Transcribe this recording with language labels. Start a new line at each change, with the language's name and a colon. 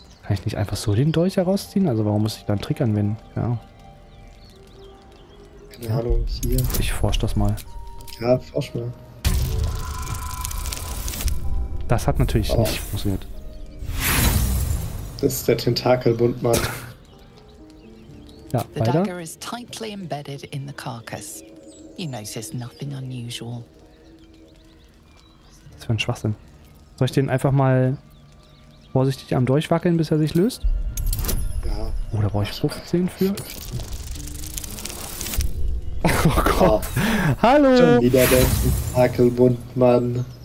German: Kann ich nicht einfach so den Dolch herausziehen? Also warum muss ich da einen Trick anwenden? Ja. Ja, hallo, hier. Ich forsch das mal. Ja, forsch mal. Das hat natürlich nicht funktioniert. Das ist der Tentakelbundmann. Ja, weiter.
English: The dagger is tightly embedded in the carcass. You notice nothing unusual.
German: Was ist das für ein Schwachsinn? Soll ich den einfach mal vorsichtig am Dolch wackeln, bis er sich löst? Ja. Oh, da brauche ich 15 für. Oh Gott. Oh. Hallo! Schon wieder der Tentakelbundmann.